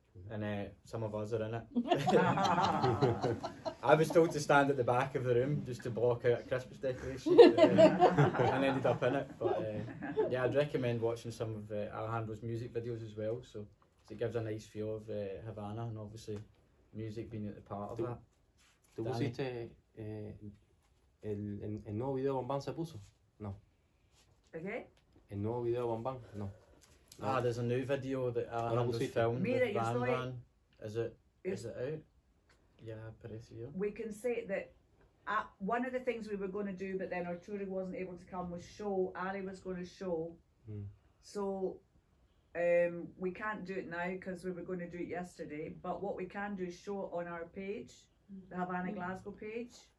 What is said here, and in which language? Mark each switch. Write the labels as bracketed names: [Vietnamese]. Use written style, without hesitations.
[English] And some of us are in it. I was told to stand at the back of the room just to block out a Christmas decoration. And ended up in it. But yeah, I'd recommend watching some of Alejandro's music videos as well. So. It gives a nice feel of Havana and obviously music being at the part of that. [Spanish] ¿Tú pusiste el nuevo video de Bambam se puso? No. ¿Okay? El nuevo video de Bambam? No. [English] Ah, there's a new video that Alejandro's filmed with Bambam. Is it out? Yeah, apareció. We can say that one of the things we were going to do, but then Arturo wasn't able to come, was show. Ari was going to show. So... we can't do it now because we were going to do it yesterday, but what we can do is show it on our page, the Havana Glasgow page.